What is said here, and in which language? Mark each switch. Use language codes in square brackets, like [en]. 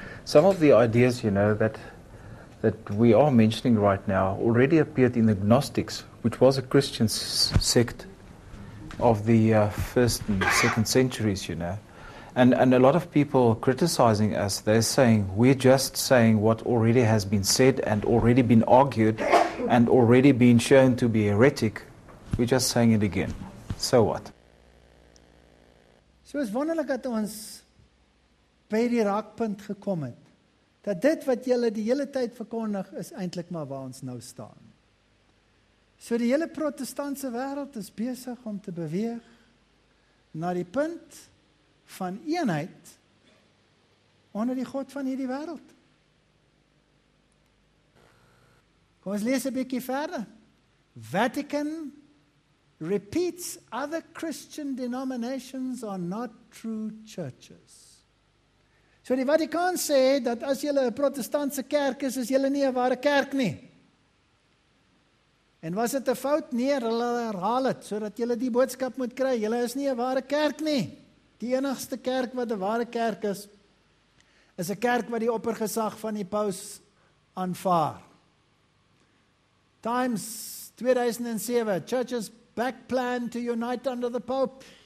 [en] Some of the ideas, you know, that we are mentioning right now already appeared in the Gnostics, which was a Christian sect of the first and second centuries, you know, and a lot of people criticizing us, they're saying we're just saying what already has been said and already been argued and already been shown to be heretic, we're just saying it again. So what? So it's wonderful that [af] ons by die raakpunt gekom het, dat dit wat julle die hele tyd verkondig is eintlik maar waar ons nou staan. So die hele protestantse wêreld is besig om te beweeg na die punt van eenheid onder die God van hierdie wêreld. Kom ons lees 'n bietjie verder. [en] Vatican repeats other Christian denominations are not true churches. [af] So die Vatican sê dat as julle 'n protestantse kerk is, is julle nie 'n ware kerk nie. En was dit 'n fout? Nee, hulle herhaal dit sodat julle die boodskap moet kry. Julle is nie 'n ware kerk nie. Die enigste kerk wat 'n ware kerk is, is 'n kerk wat die oppergesag van die paus aanvaar. [en] Times 2007, churches back plan to unite under the Pope.